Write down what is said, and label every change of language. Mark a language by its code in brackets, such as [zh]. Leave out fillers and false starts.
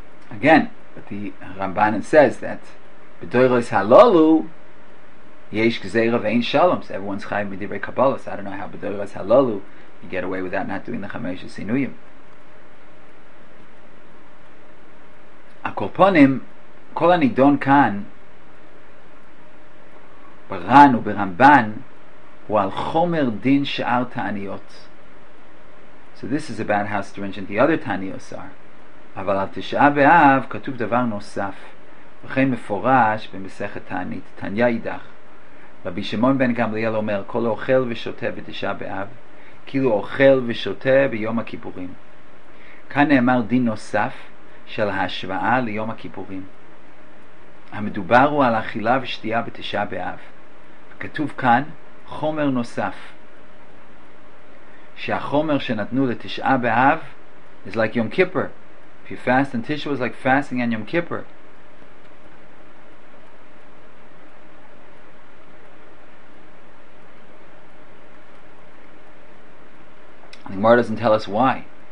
[en] Again, but the Ramban says that [he] b'doyros halolu Yesh gzeira vein shalom. [en] So everyone's chayv [he] midivrei kabbalah. [en] So I don't know how [he] b'doros halalu [en] you get away without not doing the chamesha sinuyim. [he] קורפונים, כל הנידון כאן ברן וברמבן הוא על חומר דין שאר תעניות. [en] So this is about how stringent the other תעניות are. [he] אבל על תשעה באב כתוב דבר נוסף, וכן מפורש במסכת תענית, תניה אידך. רבי שמעון בן גמליאל אומר, כל אוכל ושותה בתשעה באב, כאילו אוכל ושותה ביום הכיפורים. כאן נאמר דין נוסף של ההשוואה ליום הכיפורים. המדובר הוא על אכילה ושתייה בתשעה באב. כתוב כאן חומר נוסף, שהחומר שנתנו לתשעה באב [en] is like Yom Kippur. If you fast on Tisha, it's like fasting on Yom Kippur. The Gemara doesn't tell us why.